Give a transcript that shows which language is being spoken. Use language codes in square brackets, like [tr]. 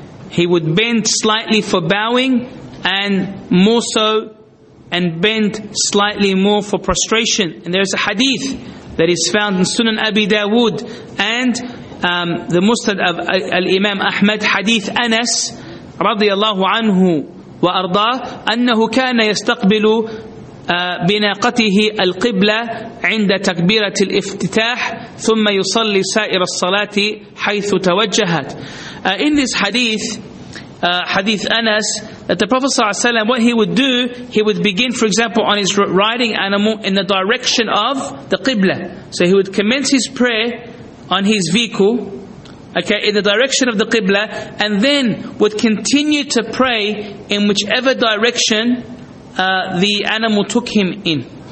[en] He would bend slightly for bowing, and more so, and bend slightly more for prostration. And there is a hadith that is found in Sunan Abi Dawood and the Musnad of Al-Imam Ahmad, hadith Anas, [ar] رضي الله عنه وأرضاه أنه كان يستقبل بناقته القبلة عند تكبيرة الافتتاح ثم يصلي سائر الصلاة حيث توجهت. [en] In this hadith, hadith Anas, that the Prophet [ar] صلى الله عليه وسلم, [en] what he would do, he would begin, for example, on his riding animal in the direction of the qibla. So he would commence his prayer on his vehicle, okay, in the direction of the qibla, and then would continue to pray in whichever direction the animal took him in.